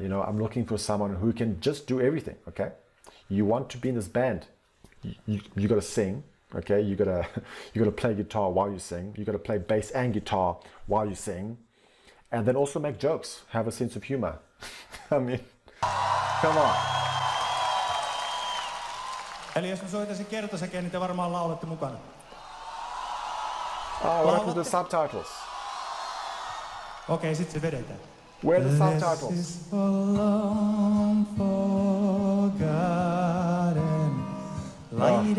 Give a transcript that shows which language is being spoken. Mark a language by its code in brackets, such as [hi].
[en] You know, I'm looking for someone who can just do everything, okay? You want to be in this band, you gotta sing, okay? You gotta play guitar while you sing. You gotta play bass and guitar while you sing. And then also make jokes, have a sense of humor. I mean, come on. [fi] Eli jos mä soitaisin kertosäkeen, niin te varmaan laulatte mukana. [en] Ah, what happened to the subtitles? [fi] Okei, sit se vedetään. [en] Where are the This subtitles? is for long forgotten light